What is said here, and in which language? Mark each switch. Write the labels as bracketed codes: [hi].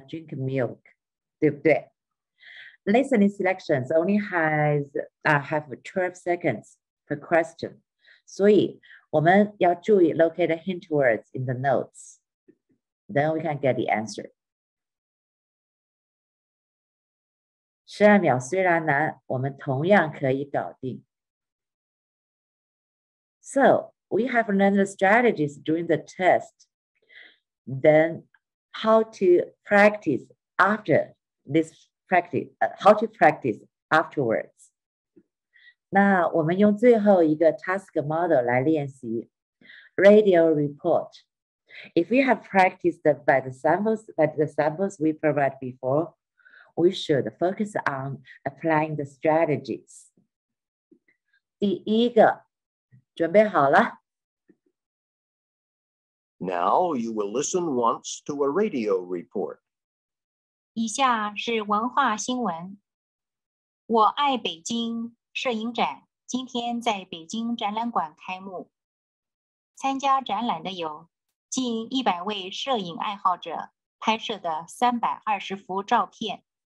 [en] drink milk， [zh] 对不对？ [en] listening selections only have 12 seconds per question， [zh] 所以我们要注意 [en] locate a hint towards in the notes， then we can get the answer。 [zh] 12秒虽然难，我们同样可以搞定。 [en] So we have learned the strategies during the test. Then how to practice after this practice,how to practice afterwards. [zh] 那我们用最后一个 task model 来练习 radio report. [en] If we have practiced by the samples we provide before,we should focus on applying the strategies. [zh] 第一个，准备好了。 [en] Now you will listen once to a radio report. [zh] 以下是文化新闻。我爱北京摄影展今天在北京展览馆开幕。参加展览的有近100位摄影爱好者拍摄的320幅照片。